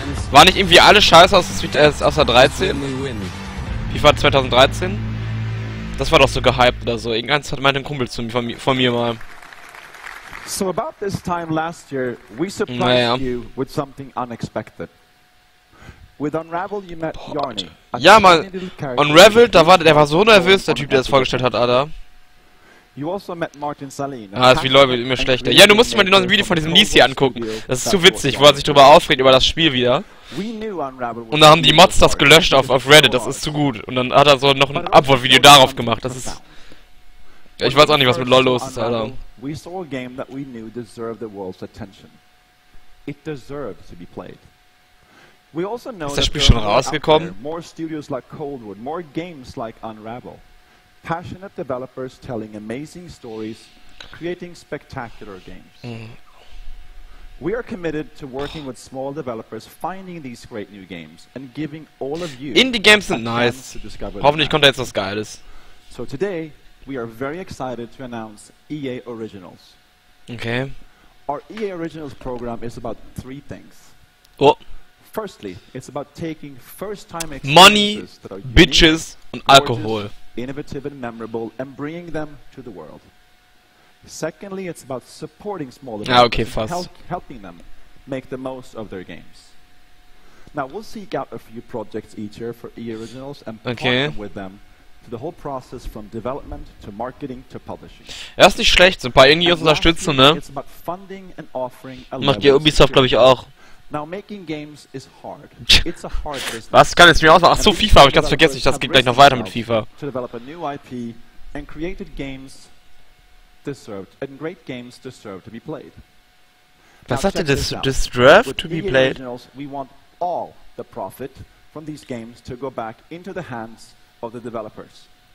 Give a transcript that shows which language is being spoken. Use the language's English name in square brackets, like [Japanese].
[German] War nicht irgendwie alles scheiße aus der 13? FIFA 2013? Das war doch so gehypt oder so. Irgendwann hat mein Kumpel zu mir, von mir mal. [English] So about this time last year, we surprised you with something unexpected. With Unravel, you met Yarny. [German] Ja, mal Unravel, da war der, war so nervös, der Typ, der das vorgestellt hat, Alter. [English] You also met Martin Salin. [German] Ah, ist wie Leute, immer schlechter. Ja, du musst dir mal die neuen Video von diesem Nisi angucken. Das ist zu witzig, wo er sich drüber aufregt über das Spiel wieder. Und da haben die Mods das gelöscht auf Reddit, das ist zu gut. Und dann hat er so noch ein Upvote-Video darauf gemacht. Das ist. Ja, ich weiß auch nicht, was mit LOL los ist, Alter. [English] We saw a game that we knew deserved the world's attention. It deserved to be played. We also know [German] ist das Spiel schon rausgekommen? [English] More studios like Coldwood, more games like Unravel. Passionate developers telling amazing stories, creating spectacular games. We are committed to working with small developers, finding these great new games and giving all of you [German] Indie games sind nice. Hoffentlich kommt da jetzt was Geiles. [English] So today we are very excited to announce EA Originals. Okay. Our EA Originals program is about three things. Oh. Firstly, it's about taking first-time money, bitches, and alcohol. Innovative and memorable, and bringing them to the world. Secondly, it's about supporting smaller games, okay, helping them make the most of their games. Now we'll seek out a few projects each year for EA Originals and partner with them. The whole process from development to marketing to publishing. [German] Er ist nicht schlecht, so ein paar Indies unterstützen, ne? Macht ja Ubisoft, glaube ich, auch. [English] Now making games is hard. It's a hard business. [German] Was kann jetzt mir ausmachen? Ach so, FIFA, habe ich ganz vergessen. Ich dachte, es geht gleich noch weiter mit FIFA. [English] To develop a new IP and created games deserved and great games deserve to be played. [German] Was sagt er, [English] deserve to be played? We want all the profit from these games to go back into the hands of the developers.